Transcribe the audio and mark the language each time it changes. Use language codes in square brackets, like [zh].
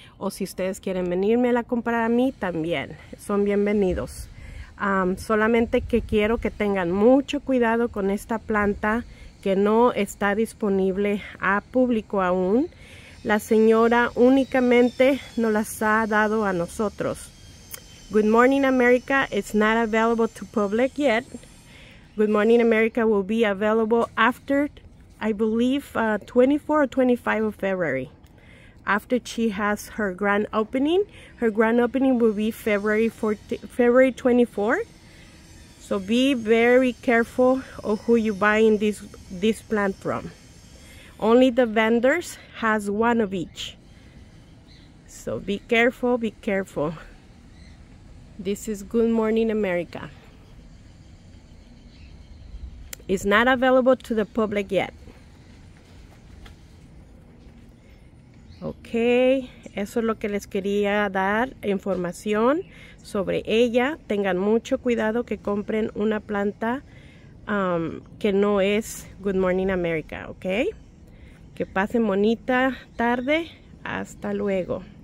[es] O si ustedes quieren venírmela a comprar a mí, también. Son bienvenidos. Solamente que quiero que tengan mucho cuidado con esta planta que no está disponible a público aún. La señora únicamente nos las ha dado a nosotros. [en] Good morning, America. It's not available to public yet. Good morning, America will be available after, I believe, 24 or 25 of February. After she has her grand opening. Her grand opening will be February 14, February 24. So be very careful of who you're buying this plant from. Only the vendors has one of each. So be careful, be careful. This is Good Morning America. It's not available to the public yet. [es] Okay, eso es lo que les quería dar información sobre ella. Tengan mucho cuidado que compren una planta que no es Good Morning America, okay? Que pasen bonita tarde. Hasta luego.